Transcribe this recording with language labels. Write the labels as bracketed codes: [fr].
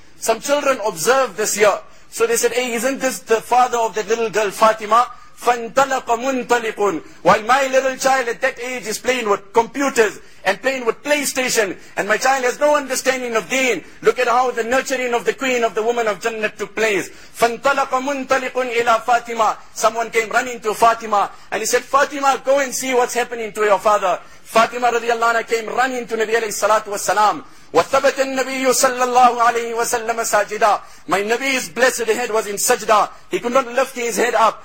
[en] Some children observed this here. So they said, hey, isn't this the father of that little girl Fatima? [ar] فَانْتَلَقَ مُنْتَلِقٌ. [en] While my little child at that age is playing with computers and playing with PlayStation, and my child has no understanding of deen, look at how the nurturing of the queen of the woman of Jannah took place. [ar] فَانْتَلَقَ مُنْتَلِقٌ إِلَى Fatima. [en] Someone came running to Fatima and he said, Fatima, go and see what's happening to your father. Fatima radiallahu anha came running to Nabi alayhi salatu wasalam. [ar] وَثَبَتَ النَّبِيُّ صَلَّى اللَّهُ عَلَيْهِ وَسَلَّمَ سَاجِدًا. [en] My Nabi's blessed head was in sajda. He could not lift his head up.